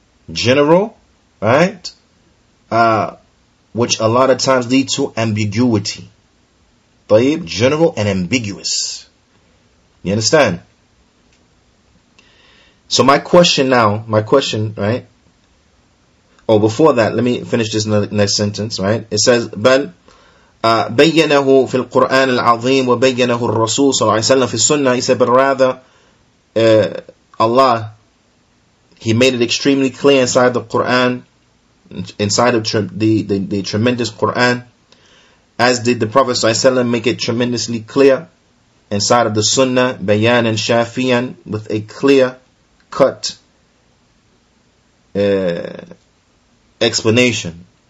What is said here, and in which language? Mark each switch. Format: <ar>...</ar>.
<en>General, right? Which a lot of times lead to ambiguity. طيب, general and ambiguous. You understand? So my question now, right? Oh, before that, let me finish this next sentence, right?</en> <ar>It says, بَلْ بَيَّنَهُ فِي الْقُرْآنِ الْعَظِيمِ وَبَيَّنَهُ الرَّسُولُ صَلَّى اللَّهِ وَسَلَّمَ فِي السُّنَّةِ.</ar> <en>He said, but rather, Allah, He made it extremely clear inside the Qur'an, inside of the tremendous Qur'an, as did the Prophet</en> <ar>صلى الله عليه وسلم</ar> <en>make it tremendously clear inside of the Sunnah, Bayan and Shafiyan, with a clear cut explanation.</en>